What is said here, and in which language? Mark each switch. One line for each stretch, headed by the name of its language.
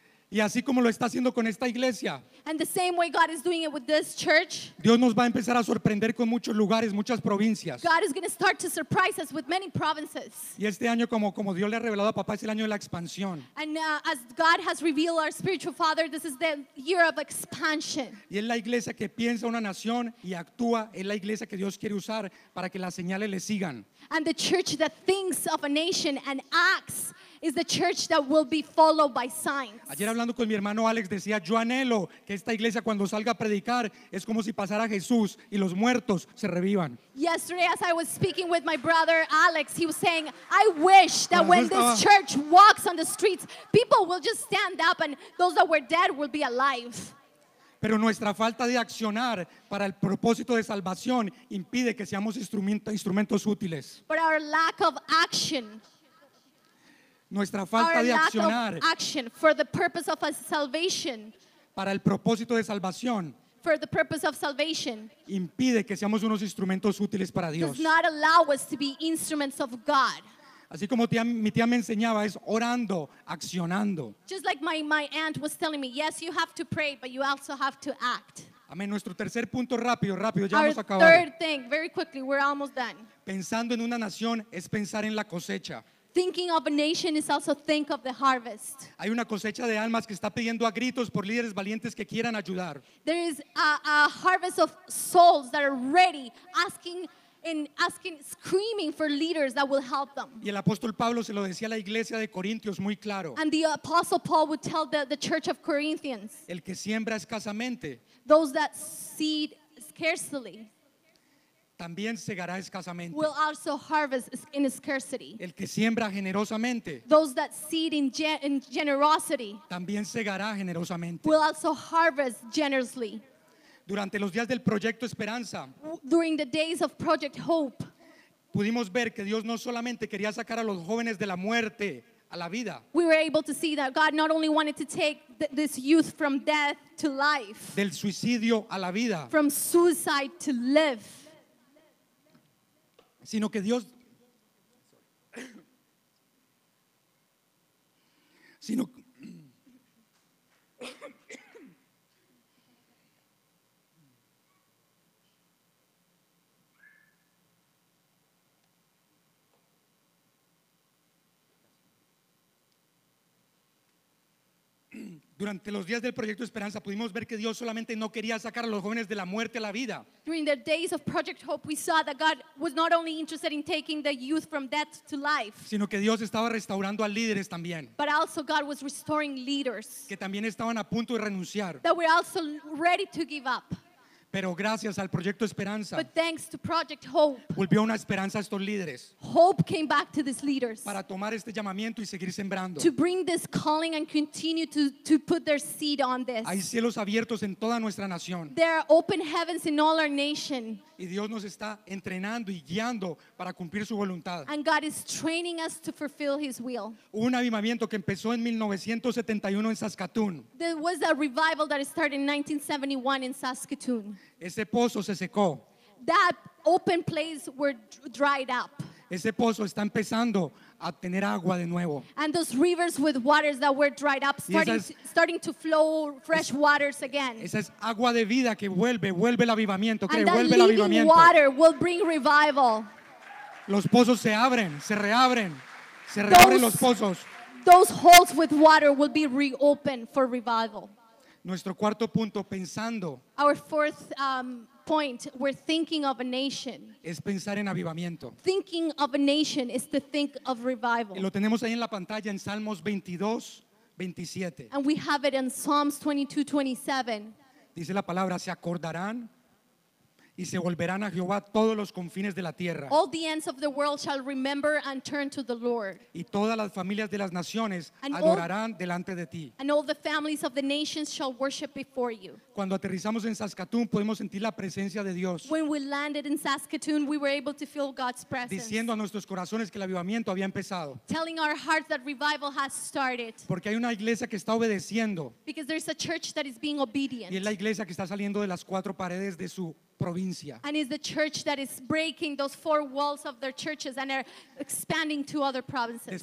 Spanish: Y así como lo está haciendo con esta iglesia.
English: And the same way God is doing it with this church.
Spanish: Dios nos va a empezar a sorprender con muchos lugares, muchas provincias.
English: God is going to start to surprise us with many provinces.
Spanish: Y este año, como Dios le ha revelado a papá, es el año de la expansión.
English: And as God has revealed our spiritual father, this is the year of expansion.
Spanish: Y es la iglesia que piensa una nación y actúa, es la iglesia que Dios quiere usar para que las señales le sigan.
English: And the church that thinks of a nation and acts is the church that will be followed by signs.
Spanish: Ayer hablando con mi hermano Alex decía, yo anhelo que esta iglesia cuando salga a predicar es como si pasara Jesús y los muertos se revivan.
English: Yesterday as I was speaking with my brother Alex, he was saying, I wish that when this church walks on the streets, people will just stand up and those that were dead will be alive.
Spanish: Pero nuestra falta de accionar para el propósito de salvación impide que seamos instrumentos útiles.
English: But our lack of action.
Spanish: Nuestra falta
English: our
Spanish: de accionar
English: action for the purpose of a salvation,
Spanish: para el propósito de salvación,
English: for the purpose of salvation,
Spanish: impide que seamos unos instrumentos útiles para Dios.
English: Does not allow us to be instruments of God.
Spanish: Así como mi tía me enseñaba, es orando, accionando.
English: Just like my aunt was telling me, yes, you have to pray, but you also have to act.
Spanish: Amén. Nuestro tercer punto, rápido, ya
English: our
Spanish: vamos a acabar.
English: Third thing, very quickly, we're almost done.
Spanish: Pensando en una nación es pensar en la cosecha.
English: Thinking of a nation is also think of the harvest.
Spanish: Hay una cosecha de almas que está pidiendo a gritos por líderes valientes que quieran ayudar.
English: There is a harvest of souls that are ready, asking, screaming for leaders that will help them.
Spanish: Y el apóstol Pablo se lo decía a la iglesia de Corintios muy claro.
English: And the apostle Paul would tell the church of Corinthians.
Spanish: El que siembra escasamente.
English: Those that seed scarcely.
Spanish: También segará escasamente.
English: Will also harvest in scarcity.
Spanish: El que siembra generosamente.
English: Those that seed in generosity.
Spanish: También segará generosamente.
English: Will also harvest generously.
Spanish: Durante los días del Proyecto Esperanza.
English: During the days of Project Hope.
Spanish: Pudimos ver que Dios no solamente quería sacar a los jóvenes de la muerte a la vida.
English: We were able to see that God not only wanted to take this youth from death to life.
Spanish: Del suicidio a la vida.
English: From suicide to live.
Spanish: Sino que Dios, durante los días del Proyecto Esperanza pudimos ver que Dios solamente no quería sacar a los jóvenes de la muerte a la vida.
English: During the days of Project Hope, we saw that God was not only interested in taking the youth from death to life.
Spanish: Sino que Dios estaba restaurando a líderes también.
English: But also God was restoring leaders.
Spanish: Que también estaban a punto de renunciar.
English: That were also ready to give up.
Spanish: Pero gracias al proyecto Esperanza.
English: But thanks to Project Hope.
Spanish: Volvió una esperanza a estos líderes.
English: Hope came back to these leaders.
Spanish: Para tomar este llamamiento y seguir sembrando.
English: To bring this calling and continue to put their seed on this.
Spanish: Hay cielos abiertos en toda nuestra nación.
English: There are open heavens in all our nation.
Spanish: Y Dios nos está entrenando y guiando para cumplir su voluntad.
English: And God is training us to fulfill his will.
Spanish: Un avivamiento que empezó en 1971 en Saskatoon.
English: There was a revival that started in 1971 in Saskatoon.
Spanish: Ese pozo se secó.
English: That open place were dried up.
Spanish: Ese pozo está empezando a tener agua de nuevo.
English: And those rivers with waters that were dried up starting to flow fresh waters again.
Spanish: Esa es agua de vida que vuelve el avivamiento, que vuelve el avivamiento.
English: And that living water will bring revival.
Spanish: Los pozos se abren, se reabren los pozos.
English: Those holes with water will be reopened for revival.
Spanish: Nuestro cuarto punto, pensando.
English: Our fourth point, we're thinking of a nation.
Spanish: Es pensar en avivamiento.
English: Thinking of a nation is to think of revival.
Spanish: Lo tenemos ahí en la pantalla en Salmos 22, 27.
English: And we have it in Psalms 22, 27.
Spanish: Dice la palabra, se acordarán y se volverán a Jehová todos los confines de la tierra.
English: All the ends of the world shall remember and turn to the Lord.
Spanish: Y todas las familias de las naciones adorarán delante de ti.
English: And all the families of the nations shall worship before you.
Spanish: Cuando aterrizamos en Saskatoon podemos sentir la presencia de Dios.
English: When we landed in Saskatoon we were able to feel God's presence.
Spanish: Diciendo a nuestros corazones que el avivamiento había empezado.
English: Telling our hearts that revival has started.
Spanish: Porque hay una iglesia que está obedeciendo.
English: Because there's a church that is being obedient.
Spanish: Y es la iglesia que está saliendo de las cuatro paredes de su provincia.
English: And it's the church that is breaking those four walls of their churches and are expanding to other provinces.